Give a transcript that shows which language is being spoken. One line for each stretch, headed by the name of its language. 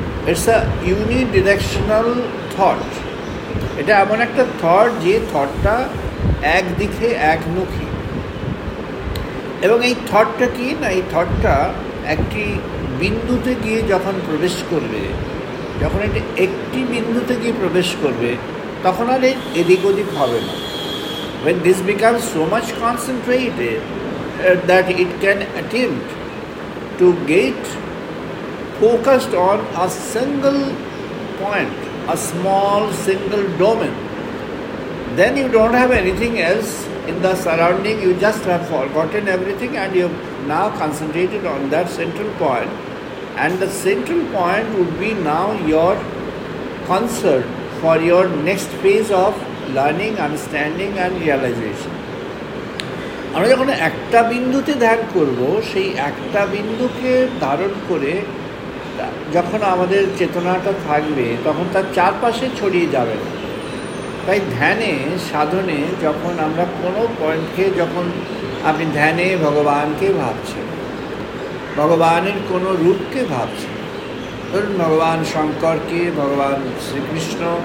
English: It's a unidirectional thought.
Bangla: এটা এমন একটা থট যে থটটা একদিকে একমুখী। এবং এই থটটা কি না, এই থটটা একটি বিন্দুতে গিয়ে যখন প্রবেশ করবে, যখন এটি একটি বিন্দুতে গিয়ে প্রবেশ করবে, তখন আর এদিক ওদিক হবে না।
English: When this becomes so much concentrated that it can attempt to get focused on a single point, a small single domain, then you don't have anything else in the surrounding, you just have forgotten everything and you have now concentrated on that central point, and the central point would be now your concern for your next phase of learning, understanding and realization.
Bangla: আমরা যখন একটা বিন্দুতে ধ্যান করবো, সেই একটা বিন্দুকে ধারণ করে যখন আমাদের চেতনাটা থাকবে, তখন তার চারপাশে ছড়িয়ে যাবে না, তাই ধ্যানে সাধনে যখন আমরা কোনো পয়েন্টকে যখন আপনি ধ্যানে ভগবানকে ভাবছেন, ভগবানের কোনো রূপকে ভাবছেন, ধরুন ভগবান শঙ্করকে, ভগবান শ্রীকৃষ্ণ,